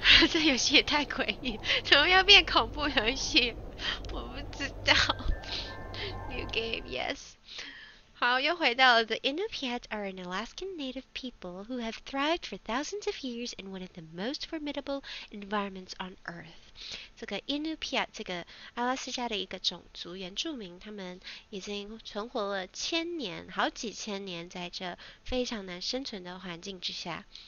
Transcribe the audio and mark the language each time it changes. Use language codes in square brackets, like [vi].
[zh] 这游戏也太诡异，怎么要变恐怖游戏？我不知道。 [en] New game, yes. [zh] 好，又回到了。 [en] The Inupiat are an Alaskan native people who have thrived for thousands of years in one of the most formidable environments on Earth. [zh] 这个 Inupiat 这个阿拉斯加的一个种族原住民，他们已经存活了千年，好几千年，在这非常难生存的环境之下。